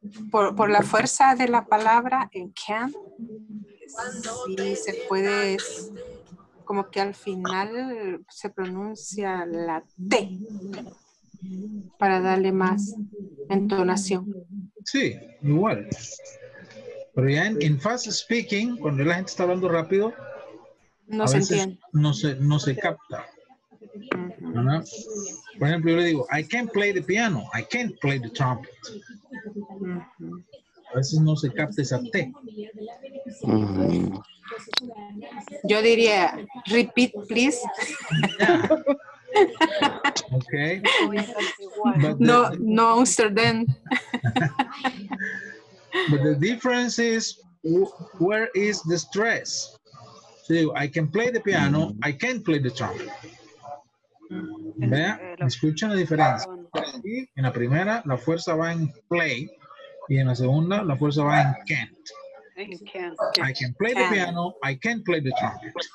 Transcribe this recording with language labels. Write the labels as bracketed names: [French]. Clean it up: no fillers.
[Spanish] Por la fuerza de la palabra en can, sí se puede, como que al final se pronuncia la T para darle más entonación. Sí, igual. Pero ya en fast speaking, cuando la gente está hablando rápido, no se entiende. No se capta. ¿No? Por ejemplo, yo le digo, [English] I can't play the piano, I can't play the trumpet. [Spanish] A veces no se capta esa T. Yo diría, [English] repeat, please. Yeah. Okay. No, Amsterdam. But the difference is, where is the stress? So you, I can play the piano, I can't play the trumpet. [Spanish] ¿Vean? Escuchen la diferencia. En la primera la fuerza va en play y en la segunda la fuerza va en can't. [English] I can play the piano, I can't play the trumpet.